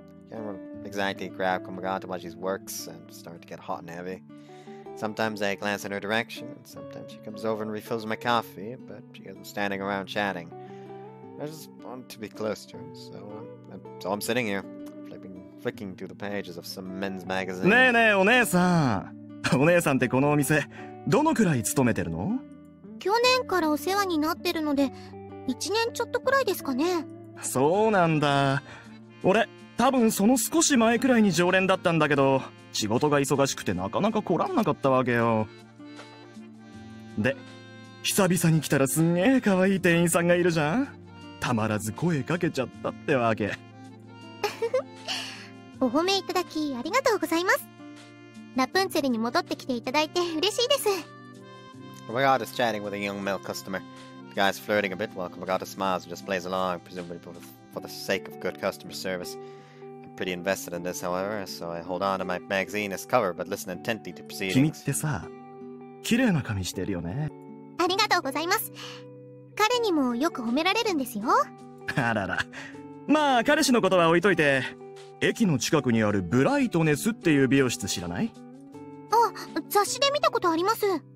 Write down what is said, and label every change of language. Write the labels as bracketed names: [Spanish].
[English] Can't exactly grab Komagata while she works and start to get hot and heavy. Sometimes I glance in her direction, and sometimes she comes over and refills my coffee, but she isn't standing around chatting. I just want to be close to him, so I'm sitting here, flicking through the pages of some men's magazine. [Japanese] ねえねえ、お姉さん。お姉さんってこのお店、どのくらい勤めてるの？去年からお世話になってるので、1年ちょっとくらいですかね。そうなんだ。俺、多分その少し前くらいに常連だったんだけど、仕事が忙しくてなかなか来らんなかったわけよ。で、久々に来たらすんげえ可愛い店員さんがいるじゃん。たまらず声かけちゃったってわけ。お褒めいただきありがとうございます。ラプンツェルに戻ってきていただいて嬉しいです。 [English] Komagata is chatting with a young male customer. The guy is flirting a bit while Komagata smiles and just plays along, presumably for the sake of good customer service. I'm pretty invested in this, however, so I hold on to my magazine as cover but listen intently to proceedings. [Japanese] 君ってさ、綺麗な髪してるよね。ありがとうございます。彼にもよく褒められるんですよ。あらら。まあ彼氏のことは置いといて、駅の近くにあるブライトネスっていう美容室知らない？あ、雑誌で見たことあります。